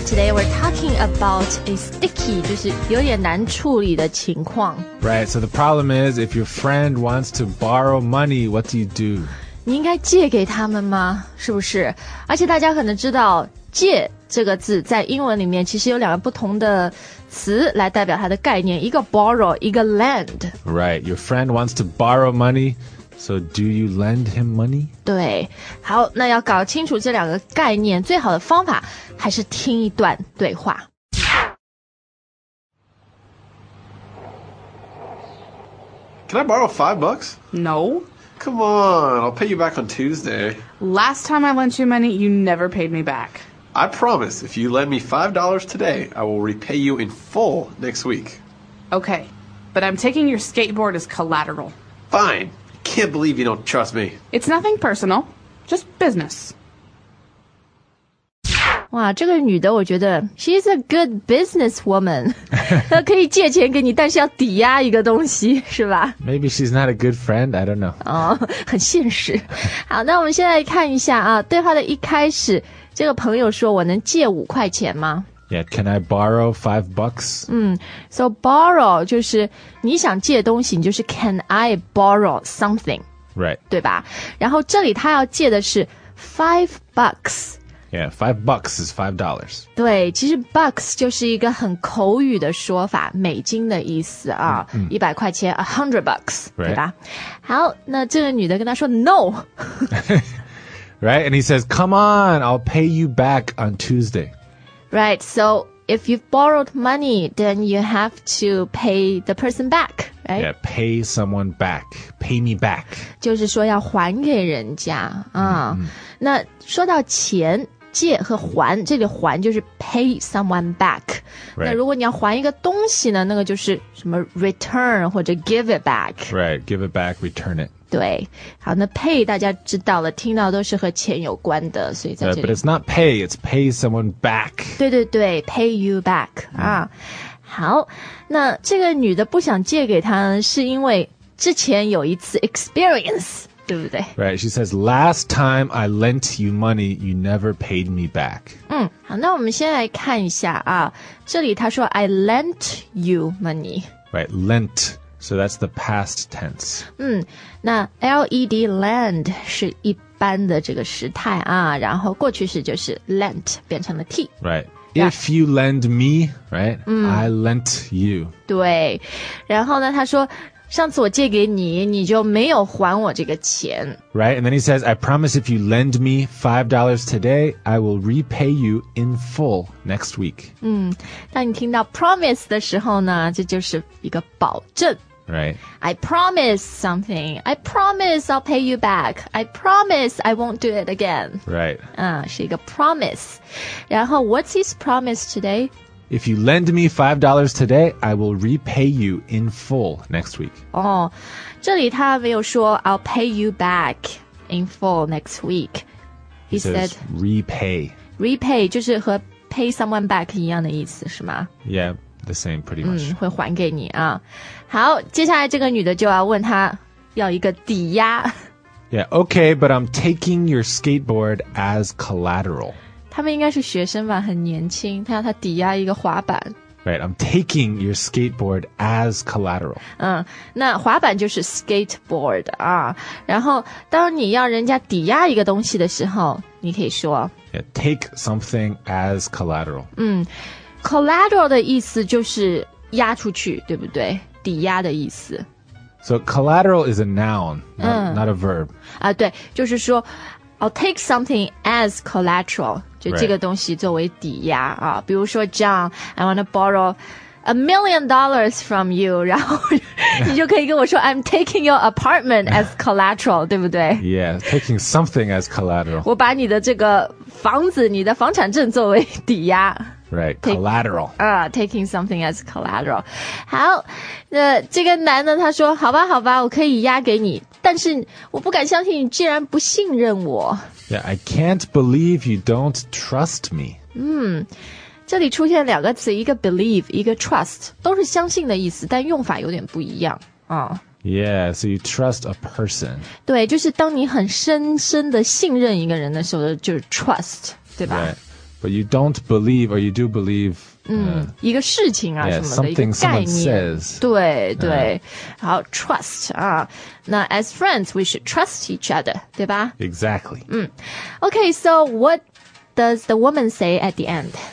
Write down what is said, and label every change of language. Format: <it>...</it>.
<en>Today we're talking about a sticky,</en> <zh>就是有点难处理的情况。</zh> <en>Right, so the problem is, if your friend wants to borrow money, what do you do?</en> <zh>你应该借给他们吗？是不是？而且大家可能知道，借这个字在英文里面其实有两个不同的词来代表它的概念，一个 borrow, 一个 lend.</zh> <en>Right, your friend wants to borrow money. So do you lend him money?</en> <zh>对，好，那要搞清楚这两个概念，最好的方法还是听一段对话。</zh> <en>Can I borrow $5? No. Come on, I'll pay you back on Tuesday. Last time I lent you money, you never paid me back. I promise, if you lend me $5 today, I will repay you in full next week. Okay, but I'm taking your skateboard as collateral. Fine. Can't believe you don't trust me. It's nothing personal, just business.</en> <zh>哇，这个女的我觉得</zh> <en>she's a good businesswoman.</en> <zh>她可以借钱给你，但是要抵押一个东西，是吧？</zh> <en>Maybe she's not a good friend, I don't know.</en> <zh>哦，很现实。好，那我们现在看一下啊，对话的一开始，这个朋友说我能借五块钱吗？</zh> <en>Yeah, can I borrow $5?</en> <zh>So borrow 就是你想借东西，你就是</zh> <en>can I borrow something? Right.</en> <zh>对吧？然后这里他要借的是$5.</zh> <en>Yeah, $5 is $5.</en> <zh>对，其实 bucks 就是一个很口语的说法，美金的意思啊，$100, $100,</zh> <en>right.</en> <zh>对吧？好，那这个女的跟他说 no.</zh> <en>Right, and he says, come on, I'll pay you back on Tuesday. Right, so if you've borrowed money, then you have to pay the person back, right? Yeah, pay someone back. Pay me back.</en> <zh>就是说要还给人家、那说到钱，借和还，这里还就是</zh> <en>pay someone back.、 Right.</en> <zh>那如果你要还一个东西呢，那个就是什么 return 或者</zh> <en>give it back. Right, give it back, return it.</en> <zh>对，好，那 pay 大家知道了，听到都是和钱有关的，所以在这里。</zh> <en>But it's not pay, it's pay someone back.</en> <zh>对对对 ，</zh> <en>pay you back、</en> <zh>啊。好，那这个女的不想借给他，是因为之前有一次 experience， 对不对</zh> <en>？Right, she says last time I lent you money, you never paid me back.</en> <zh>好，那我们先来看一下啊，这里她说 I lent you money.</zh> <en>Right, lent. So that's the past tense.</en> <zh>那 L-E-D, lend, 是一般的这个时态啊，然后过去式就是 lent, 变成了 T.</zh> <en>Right. Yeah. If you lend me, right,、I lent you.</en> <zh>对。然后呢他说上次我借给你你就没有还我这个钱。</zh> <en>Right, and then he says, I promise if you lend me $5 today, I will repay you in full next week.</en> <zh>当你听到 promise 的时候呢这就是一个保证。</zh> <en>Right. I promise something. I promise I'll pay you back. I promise I won't do it again. Right.</en> <zh>是一个 promise.</zh> <en>然后 what's his promise today? If you lend me $5 today, I will repay you in full next week.</en> <zh>这里他没有说</zh> <en>I'll pay you back in full next week. He said repay.</en> <zh>Repay 就是和</zh> <en>pay someone back</en> <zh>一样的意思是吗</zh> <en>Yeah, the same pretty much.</en> <zh>会还给你啊。好，接下来这个女的就要问他要一个抵押。</zh> <en>Yeah, okay, but I'm taking your skateboard as collateral.</en> <zh>他们应该是学生吧，很年轻。他要他抵押一个滑板。</zh> <en>Right, I'm taking your skateboard as collateral.</en> <zh>那滑板就是 skateboard 啊。然后，当你要人家抵押一个东西的时候，你可以说</zh> <en>yeah, take something as collateral.</en> <zh>Collateral 的意思就是押出去，对不对？抵押的意思。</zh> <en>So collateral is a noun, not a verb.</en> <zh>对，就是说。</zh> <en>I'll take something as collateral,</en> <zh>就这个东西作为抵押、</zh> <en>right. 啊。比如说 John, I want to borrow $1,000,000 from you,</en> <zh>然后你就可以跟我说</zh> <en>I'm taking your apartment as collateral,</en> <zh>对不对</zh> <en>Yeah, taking something as collateral.</en> <zh>我把你的这个房子你的房产证作为抵押。</zh> <en>Right, collateral. Taking something as collateral.</en> <zh>好，那这个男的他说好吧好吧我可以押给你。但是我不敢相信你竟然不信任我。</zh> <en>Yeah, I can't believe you don't trust me. 嗯，</en> <zh>这里出现两个词，一个 believe， 一个 trust， 都是相信的意思，但用法有点不一样啊。</zh> <en>Yeah, so you trust a person.</en> <zh>对，就是当你很深深的信任一个人的时候，就是 trust， 对吧？</zh> <en>Right. But you don't believe, or you do believe.</en> <zh>一个事情啊</zh> <en>yeah,</en> <zh>什么的一个概念。</zh> <en>Says.</en> <zh>对对， uh-huh. 好 trust 啊。那</zh> <en>as friends, we should trust each other，</en> <zh>对吧？</zh> <en>Exactly. Okay, so what does the woman say at the end?</en>